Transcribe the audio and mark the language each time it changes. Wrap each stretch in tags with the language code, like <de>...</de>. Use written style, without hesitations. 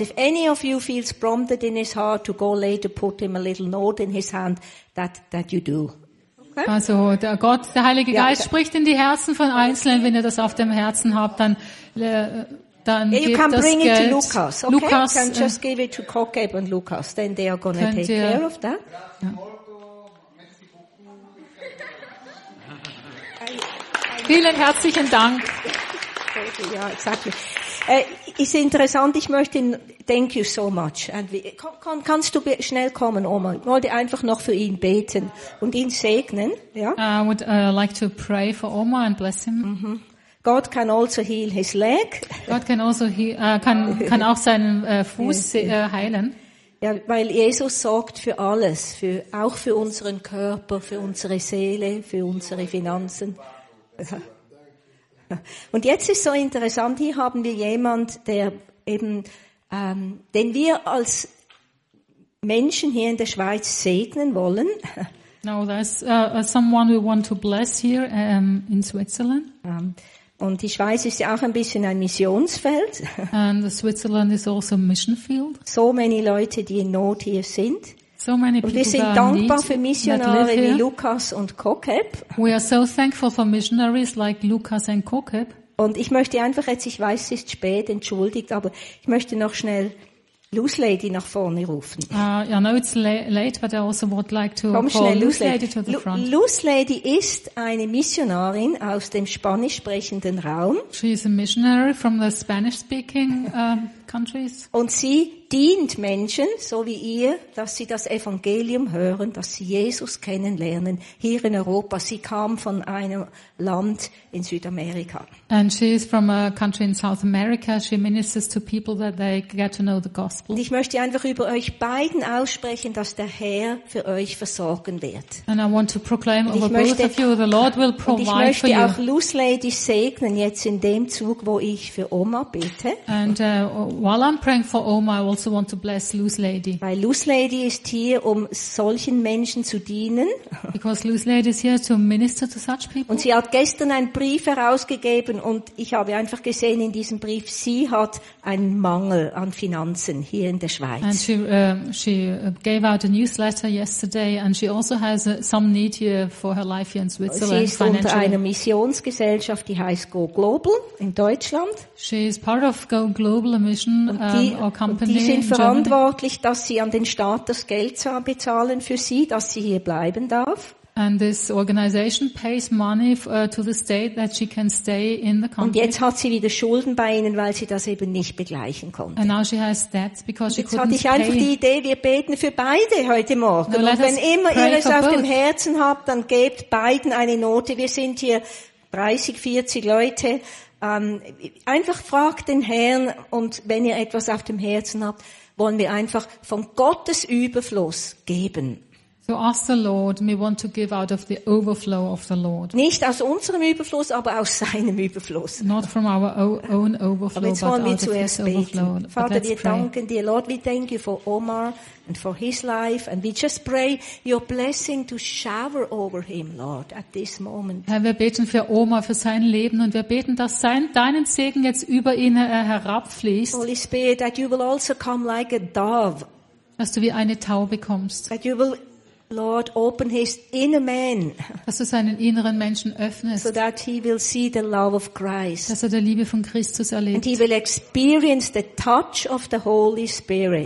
<en>If any of you feels prompted in his heart to go later, put him a little note in his hand that you do. Okay?</en> <de>Also der Heilige Geist spricht in die Herzen von Einzelnen. Wenn ihr das auf dem Herzen habt, dann gebt das Geld.</de> <en>You can bring</en> <de>Geld.</de> <en>It to Lucas. Okay? Lucas, you can just give it to Kokeb and Lucas. Then they are going to take care of that.</en> <de>Ja. Vielen herzlichen Dank. Ja,</de> <en>exactly.</en> <de>Ist interessant, ich möchte,</de> <en>thank you so much.</en> <de>Kannst du schnell kommen, Oma? Ich wollte einfach noch für ihn beten und ihn segnen.</de> <en>Yeah? I would like to pray for Oma and bless him. Mm-hmm. God can also heal his leg. God can also</en> <de>kann auch seinen Fuß heilen. Ja, weil Jesus sorgt für alles, auch für unseren Körper, für unsere Seele, für unsere Finanzen. Und jetzt ist so interessant, hier haben wir jemand, der eben, den wir als Menschen hier in der Schweiz segnen wollen.</de> <en>No, there's someone we want to bless here in Switzerland.</en> <de>Und die Schweiz ist ja auch ein bisschen ein Missionsfeld.</de> <en>And Switzerland is also a mission field. So many</en> <de>Leute, die in Not hier sind.</de> <en>So many</en> <de>und wir sind dankbar für Missionare wie Lucas und Kokeb.</de> <en>We are so thankful for missionaries like Lucas and Kokeb.</en> <de>Und ich möchte einfach jetzt, ich weiß, es ist spät, entschuldigt, aber ich möchte noch schnell Loose Lady nach vorne rufen.</de> <en>Yeah, no, it's late, but I also would like to Komm call Loose Lady to the front.</en> <de>Loose Lady ist eine Missionarin aus dem spanisch sprechenden Raum.</de> <en>She is a missionary from the Spanish speaking countries.</en> <de>Und sie dient Menschen, so wie ihr, dass sie das Evangelium hören, dass sie Jesus kennenlernen hier in Europa. Sie kam von einem Land in Südamerika.</de> <en>And she is from a country in South America. She ministers to people that they get to know the gospel.</en> <de>Und ich möchte einfach über euch beiden aussprechen, dass der Herr für euch versorgen wird.</de> <en>And I want to proclaim over both of you, the Lord will provide for you.</en> <de>Ich möchte auch Loose Lady segnen jetzt in dem Zug, wo ich für Oma bete.</de> <en>And while I'm praying for Oma, I also want to bless Loose Lady.</en> <de>Weil Loose Lady ist hier, um solchen Menschen zu dienen.</de> <en>Because Loose Lady is here to minister to such people.</en> <de>Und sie hat gestern einen Brief herausgegeben und ich habe einfach gesehen in diesem Brief, sie hat einen Mangel an Finanzen hier in der Schweiz.</de> <en>And she gave out a newsletter yesterday and she also has some need here for her life here in Switzerland.</en> <de>Sie ist unter einer Missionsgesellschaft, die heißt Go Global in Deutschland.</de> <en>She is part of Go Global, a mission or company.</en> <de>Die sind verantwortlich, dass sie an den Staat das Geld bezahlen für sie, dass sie hier bleiben darf.</de> <en>And this organization pays money to the state that she can stay in the country.</en> <de>Und jetzt hat sie wieder Schulden bei ihnen, weil sie das eben nicht begleichen konnte.</de> <en>And now she has debts because she couldn't pay.</en> <de>Jetzt hatte ich einfach die Idee, wir beten für beide heute Morgen. No, und wenn immer ihr es auf dem Herzen habt, dann gebt beiden eine Note. Wir sind hier 30, 40 Leute. Einfach fragt den Herrn und wenn ihr etwas auf dem Herzen habt, wollen wir einfach von Gottes Überfluss geben.</de> <en>So ask the Lord, we want to give out of the overflow of the Lord.</en> <de>Nicht aus unserem Überfluss, aber aus seinem Überfluss.</de> <en>Not from our own overflow,</en> <de>aber jetzt wollen</de> <en>but</en> <de>wir zuerst</de> <en>out of this overflow.</en> <de>Beten. Vater, wir danken dir.</de> <en>Lord, we thank you for Omar and for his life and we just pray your blessing to shower over him, Lord, at this moment.</en> <de>Herr, wir beten für Omar, für sein Leben und wir beten, dass deinen Segen jetzt über ihn herabfließt.</de> <en>Holy Spirit, that you will also come like a dove.</en> <de>Dass du wie eine Taube kommst.</de> <en>That you will Lord, open his inner man.</en> <de>Dass du seinen inneren Menschen öffnest.</de> <en>So that he will see the love of Christ.</en> <de>Dass er die Liebe von Christus erlebt.</de> <en>And he will experience the touch of the Holy Spirit.</en>